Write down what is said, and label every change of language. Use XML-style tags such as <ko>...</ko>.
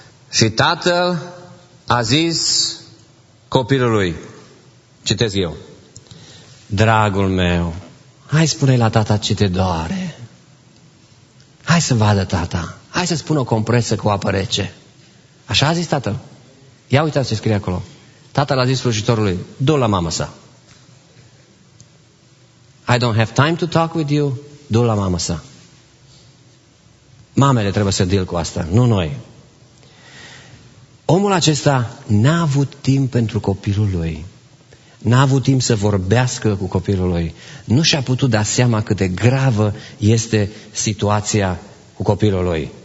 <ro>Și tatăl a zis copilului, citesc eu, dragul meu, hai spune la tata ce te doare. Hai să vadă tata, hai să spun o compresă cu apă rece. Așa a zis tatăl. Ia uitați ce scrie acolo. Tatăl a zis slujitorului, du-l la mamă sa.</ro> <en>I don't have time to talk with you,</en> <ro>du-l la mamă sa. Mamele trebuie să deal cu asta, nu noi. Omul acesta n-a avut timp pentru copilul lui. N-a avut timp să vorbească cu copilul lui. Nu și-a putut da seama cât de gravă este situația cu copilul lui.</ro>